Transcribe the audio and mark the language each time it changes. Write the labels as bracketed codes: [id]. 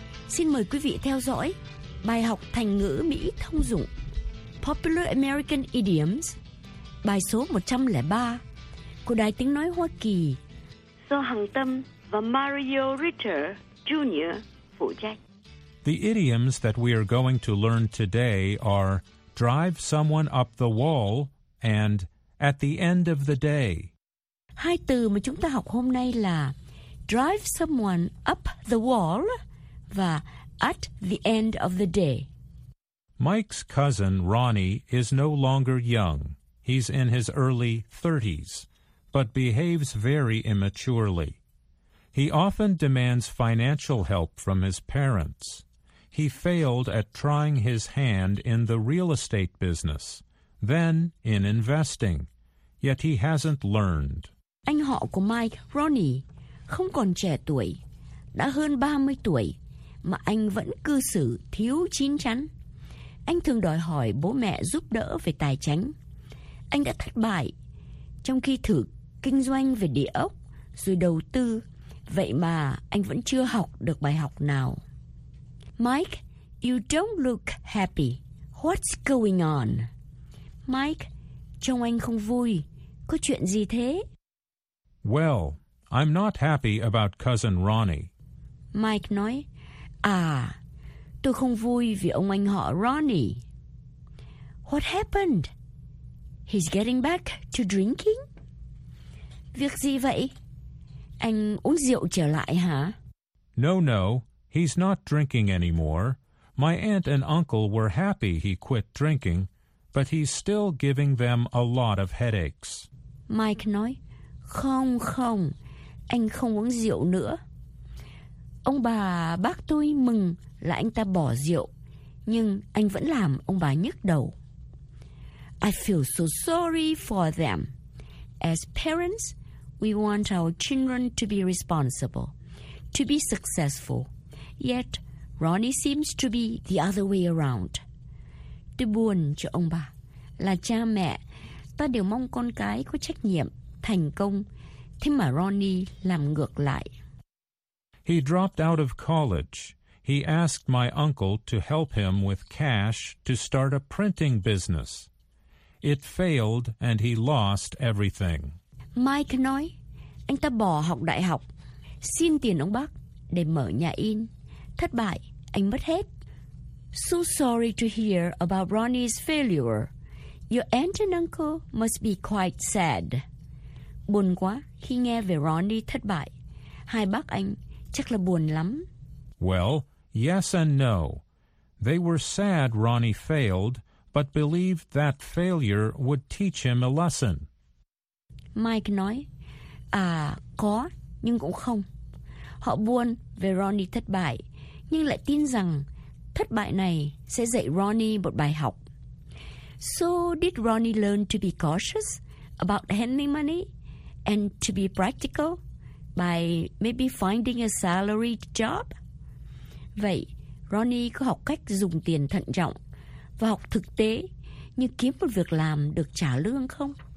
[vi] Xin mời quý vị theo dõi bài học thành ngữ Mỹ thông dụng Popular American Idioms, bài số 103 của Đài Tiếng Nói Hoa Kỳ. Do Hằng Tâm và Mario Ritter Jr. phụ trách. [en] The idioms that we are going to learn today are drive someone up the wall and at the end of the day. [vi] Hai từ mà chúng ta học hôm nay là drive someone up the wall và at the end of the day. [en] Mike's cousin Ronnie is no longer young. He's in his early 30s, but behaves very immaturely. He often demands financial help from his parents. He failed at trying his hand in the real estate business, then in investing, yet he hasn't learned. [vi] Anh họ của Mike, Ronnie, không còn trẻ tuổi, đã hơn 30 tuổi, mà anh vẫn cư xử thiếu chín chắn. Anh thường đòi hỏi bố mẹ giúp đỡ về tài chính. Anh đã thất bại trong khi thử kinh doanh về địa ốc rồi đầu tư. Vậy mà anh vẫn chưa học được bài học nào. [en] Mike, you don't look happy. What's going on? [vi] Mike, trông anh không vui. Có chuyện gì thế? [en] Well, I'm not happy about cousin Ronnie. [vi] Mike nói, à, tôi không vui vì ông anh họ Ronnie. [en] What happened? He's getting back to drinking? [vi] Việc gì vậy? anh uống rượu trở lại hả? [en] No, no, he's not drinking anymore. My aunt and uncle were happy he quit drinking, but he's still giving them a lot of headaches. [vi] Mike nói, không, không, anh không uống rượu nữa. Ông bà, bác tôi mừng là anh ta bỏ rượu, nhưng anh vẫn làm ông bà nhức đầu. [en] I feel so sorry for them. As parents, we want our children to be responsible, to be successful. Yet, Ronnie seems to be the other way around. [vi] Tôi buồn cho ông bà. Là cha mẹ, ta đều mong con cái có trách nhiệm, thành công. Thế mà Ronnie làm ngược lại. [en] He dropped out of college. He asked my uncle to help him with cash to start a printing business. It failed and he lost everything. [vi] Mike nói, anh ta bỏ học đại học, xin tiền ông bác để mở nhà in. Thất bại, anh mất hết. [en] So sorry to hear about Ronnie's failure. Your aunt and uncle must be quite sad. [vi] Buồn quá khi nghe về Ronnie thất bại. Hai bác anh chắc là buồn lắm. [en] Well, yes and no. They were sad Ronnie failed, but believed that failure would teach him a lesson. [vi] Mike nói, à, có, nhưng cũng không. Họ buồn về Ronnie thất bại, nhưng lại tin rằng thất bại này sẽ dạy Ronnie một bài học. [en] So did Ronnie learn to be cautious about handling money and to be practical by maybe finding a salary job? [vi] Vậy, Ronnie có học cách dùng tiền thận trọng và học thực tế như kiếm một việc làm được trả lương không?